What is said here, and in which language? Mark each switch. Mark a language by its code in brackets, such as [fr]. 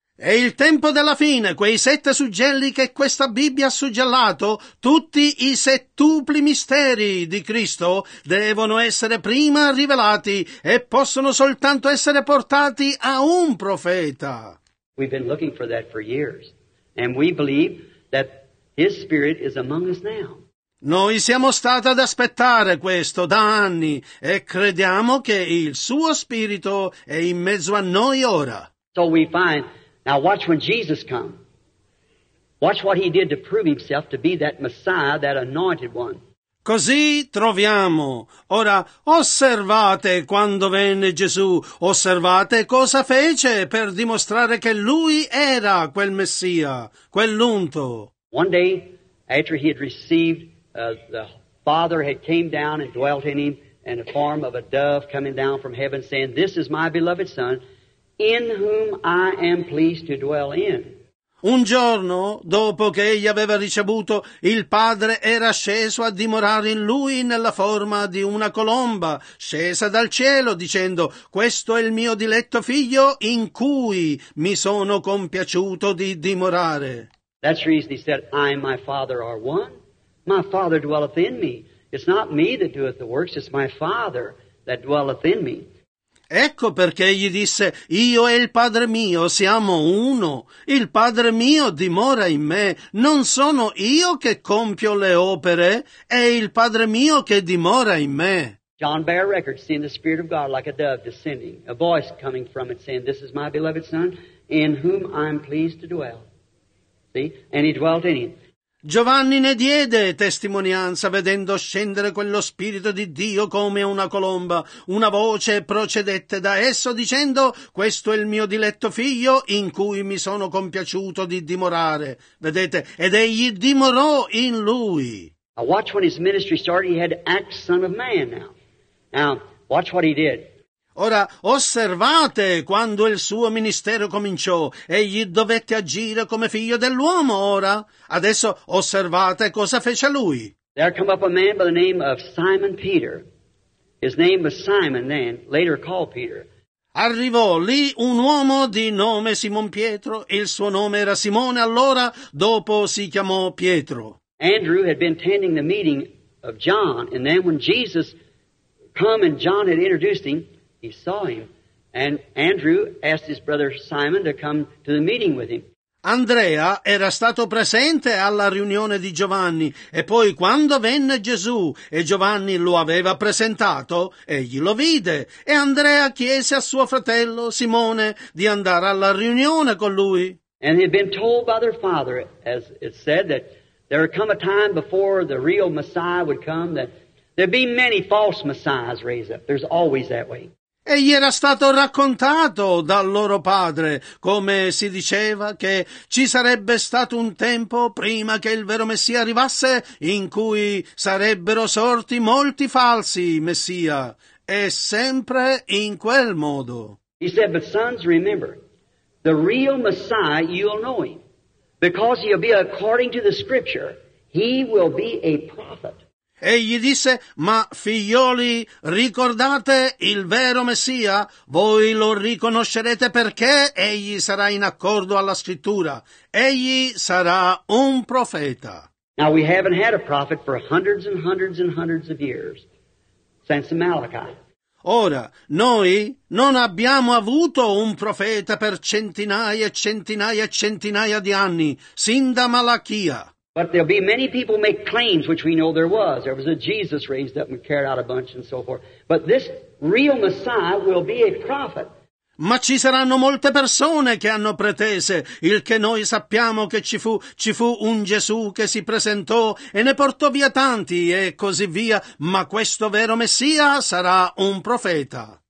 [it] E il tempo della fine, quei sette suggelli che questa Bibbia ha suggellato, tutti i settupli misteri di Cristo, devono essere prima rivelati e possono soltanto essere portati a un profeta. [en] We've been looking for that for years, and we believe that his spirit is among us now. [it] Noi siamo stati ad aspettare questo da anni e crediamo che il suo spirito è in mezzo a noi ora. [en] So we find... Now watch when Jesus come. Watch what he did to prove himself to be that Messiah, that anointed one. [it] Così troviamo. Ora osservate quando venne Gesù. Osservate cosa fece per dimostrare che lui era quel Messia, quell'unto. [en] One day, after he had received, the Father had came down and dwelt in him, and the form of a dove coming down from heaven saying, "This is my beloved Son, in whom I am pleased to dwell in." [it] Un giorno, dopo che egli aveva ricevuto, il Padre era sceso a dimorare in lui nella forma di una colomba, scesa dal cielo, dicendo, "Questo è il mio diletto figlio in cui mi sono compiaciuto di dimorare." [en] That's the reason he said, "I and my Father are one. My Father dwelleth in me. It's not me that doeth the works, it's my Father that dwelleth in me." [it] Ecco perché egli disse, "Io e il Padre mio siamo uno, il Padre mio dimora in me, non sono io che compio le opere, è il Padre mio che dimora in me." [en] John bare record, seeing the Spirit of God like a dove descending, a voice coming from it saying, "This is my beloved Son, in whom I am pleased to dwell." See? And he dwelt in him. [it] Giovanni ne diede testimonianza vedendo scendere quello Spirito di Dio come una colomba. Una voce procedette da esso dicendo, "Questo è il mio diletto figlio in cui mi sono compiaciuto di dimorare." Vedete, ed egli dimorò in lui. [en] Now watch when his ministry started, he had to act son of man now. Now watch what he did. [it] Ora, osservate quando il suo ministero cominciò. Egli dovette agire come figlio dell'uomo ora. Adesso, osservate cosa fece lui. [en] There came up a man by the name of Simon Peter. His name was Simon then, later called Peter. [it] Arrivò lì un uomo di nome Simon Pietro. Il suo nome era Simone allora, dopo si chiamò Pietro. [en] Andrew had been attending the meeting of John, and then when Jesus came and John had introduced him, he saw him, and Andrew asked his brother Simon to come to the meeting with him. [it] Andrea era stato presente alla riunione di Giovanni, e poi quando venne Gesù e Giovanni lo aveva presentato, egli lo vide, e Andrea chiese a suo fratello Simone di andare alla riunione con lui. [en] And he had been told by their father, as it said, that there had come a time before the real Messiah would come, that there'd be many false messiahs raised up. There's always that way. [it] E gli era stato raccontato dal loro padre, come si diceva, che ci sarebbe stato un tempo prima che il vero Messia arrivasse in cui sarebbero sorti molti falsi Messia, e sempre in quel modo. [en] He said, "But sons, remember, the real Messiah, you'll know him, because he'll be according to the scripture, he will be a prophet." [it] E gli disse, "Ma figlioli, ricordate il vero Messia? Voi lo riconoscerete perché egli sarà in accordo alla scrittura. Egli sarà un profeta." [en] Now we haven't had a prophet for hundreds and hundreds and hundreds of years since Malachi. [it] Ora, noi non abbiamo avuto un profeta per centinaia e centinaia e centinaia di anni, sin da Malachia. [en] But there'll be many people make claims, which we know there was. There was a Jesus raised up and carried out a bunch and so forth. But this real Messiah will be a prophet. [it] Ma ci saranno molte persone che hanno pretese, il che noi sappiamo che ci fu un Gesù che si presentò e ne portò via tanti e così via. Ma questo vero Messia sarà un profeta.